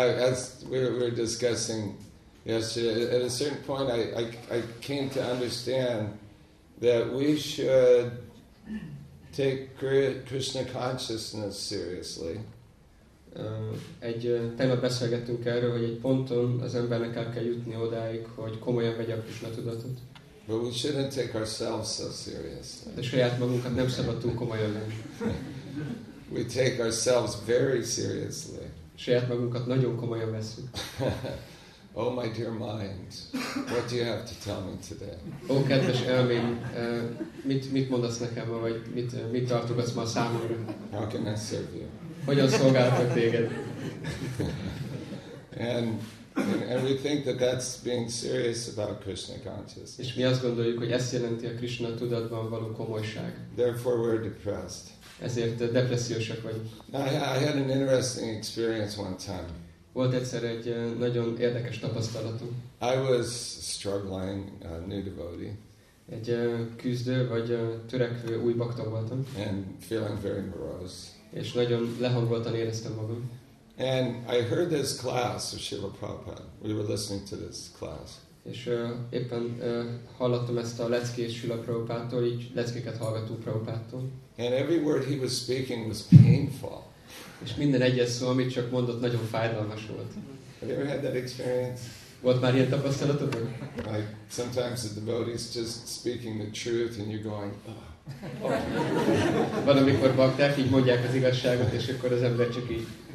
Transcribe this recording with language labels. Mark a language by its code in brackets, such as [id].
[en] As we were discussing yesterday, at a certain point I came to understand that we should take Krishna consciousness seriously. [hu] Egy tegnap beszélgettünk erről, hogy egy ponton az embernek el kell jutni odáig, hogy komolyan vegye a Krishna tudatot. [en] But we shouldn't take ourselves so seriously. [hu] De saját magunkat nem szabad túl komolyan lenni. [en] We take ourselves very seriously. [hu] Saját magunkat nagyon komolyan veszünk. [en] Oh, my dear mind, what do you have to tell me today? [hu] Oh, kedves elmém, mit mondasz nekem, vagy mit tartogatsz ma a számomra? [en] How can I serve you? [hu] Hogyan szolgálhatok téged? [en] And we think that that's being serious about Krishna consciousness. [hu] És mi azt gondoljuk, hogy ezt jelenti a Krishna tudatban való komolyság. [en] Therefore we're depressed. [hu] Ezért depressziósak vagyunk. [en] I had an interesting experience one time. [hu] Volt egyszer egy nagyon érdekes tapasztalatom. [en] I was struggling, a new devotee. [hu] Egy küzdő vagy törekvő új bhakta voltam. [en] And feeling very morose. [hu] És nagyon lehangoltan éreztem magam. [en] And I heard this class of Srila Prabhupada. We were listening to this class. [hu] És éppen hallottam ezt a leckét Srila Prabhupától, így leckéket hallgattuk Prabhupától. [en] And every word he was speaking was painful. [hu] És minden egyes szó, amit csak mondott, nagyon fájdalmas volt. [en] Have you ever had that experience? [hu] Volt már ilyen tapasztalatod? [en] Like sometimes the devotee is just speaking the truth and you're going, ugh. [hu] Van, amikor bakták, így mondják az igazságot, és akkor az ember csak így.